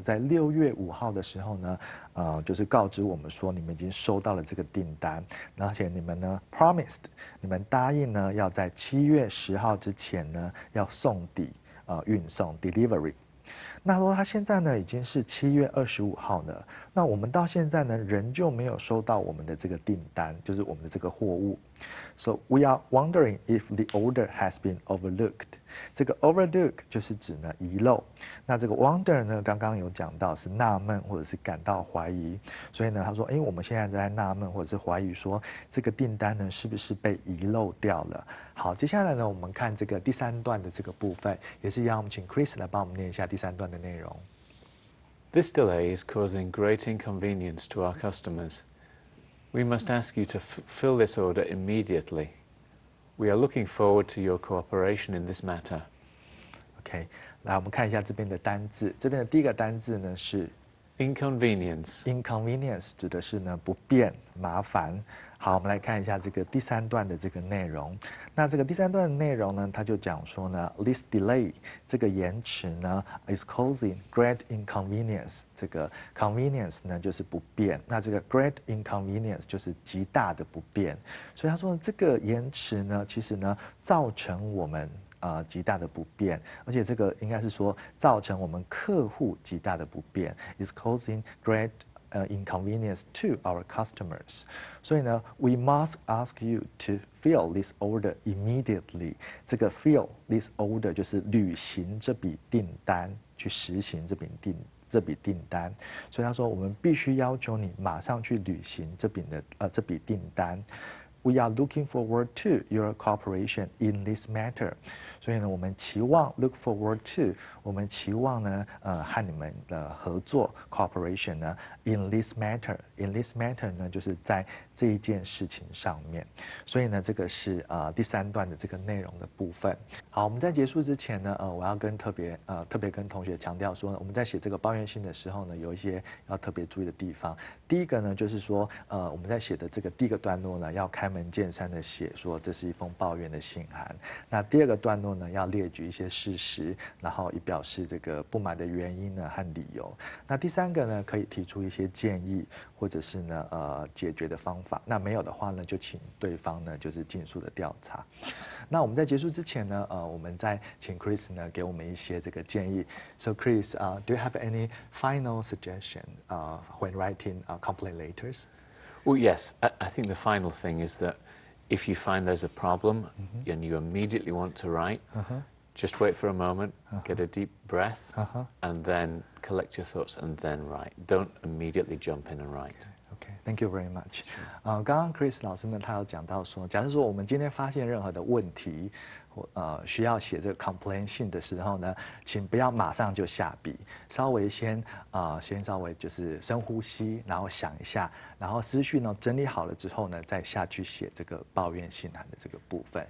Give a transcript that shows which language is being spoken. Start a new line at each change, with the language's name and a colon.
Chinese: 在6月5号的时候呢，就是告知我们说你们已经收到了这个订单，而且你们呢 promised， 你们答应呢要在7月10号之前呢要送抵运送 delivery。那说他现在呢已经是7月25号了，那我们到现在呢仍旧没有收到我们的这个订单，就是我们的这个货物。
English: So we are wondering if the order has been overlooked。
Chinese: 这个 overlook 就是指呢遗漏。那这个 wonder 呢，刚刚有讲到是纳闷或者是感到怀疑。所以呢，他说，哎，我们现在在纳闷或者是怀疑说这个订单呢是不是被遗漏掉了。好，接下来呢，我们看这个第三段的这个部分，也是一样，我们请 Chris 来帮我们念一下第三段的内容。
English: This delay is causing great inconvenience to our customers. We must ask you to fill this order immediately. We are looking forward to your cooperation in this matter.
Chinese: Okay, 来我们看一下这边的单字。这边的第一个单字呢是
English: inconvenience。
Chinese: Inconvenience 指的是呢不便、麻烦。好，我们来看一下这个第三段的这个内容。那这个第三段的内容呢，他就讲说呢 ，this delay 这个延迟呢 ，
English: is causing great inconvenience。
Chinese: 这个 convenience 呢就是不便，那这个 great inconvenience 就是极大的不便。所以他说呢这个延迟呢，其实呢造成我们极大的不便，而且这个应该是说造成我们客户极大的不便 ，
English: is causing great inconvenience to our customers. 所以呢 we must ask you to fill this order immediately.
Chinese: 这个 fill this order 就是履行这笔订单，去实行这笔订单。所以他说我们必须要求你马上去履行这笔订单。
English: We are looking forward to your cooperation in this matter.
Chinese: 所以呢，我们期望 look forward to， 我们期望呢，和你们的合作 cooperation 呢
English: in this matter。
Chinese: in this matter 呢，就是在这一件事情上面。所以呢，这个是第三段的这个内容的部分。好，我们在结束之前呢，我要跟特别跟同学强调说，我们在写这个抱怨信的时候呢，有一些要特别注意的地方。第一个呢，就是说，我们在写的这个第一个段落呢，要开门见山的写说这是一封抱怨的信函。那第二个段落呢，要列举一些事实，然后以表示这个不满的原因呢和理由。那第三个呢，可以提出一些建议，或者是呢解决的方法。那没有的话呢，就请对方呢就是尽速的调查。那我们在结束之前呢，我们再请 Chris 呢给我们一些这个建议。
English: So Chris, do you have any final suggestion when writing complaint letters? Well, yes. I think the final thing is that if you find there's a problem、mm-hmm. and you immediately want to write,、uh-huh. just wait for a moment,、uh-huh. get a deep breath,、uh-huh. and then collect your thoughts and then write. Don't immediately jump in and write.、 Okay. Thank you very much.
Chinese: 刚刚 Chris 老师呢，他有讲到说，假设说我们今天发现任何的问题，需要写这个 complaint 信的时候呢，请不要马上就下笔，稍微先稍微就是深呼吸，然后想一下，然后思绪呢整理好了之后呢，再下去写这个抱怨信函的这个部分。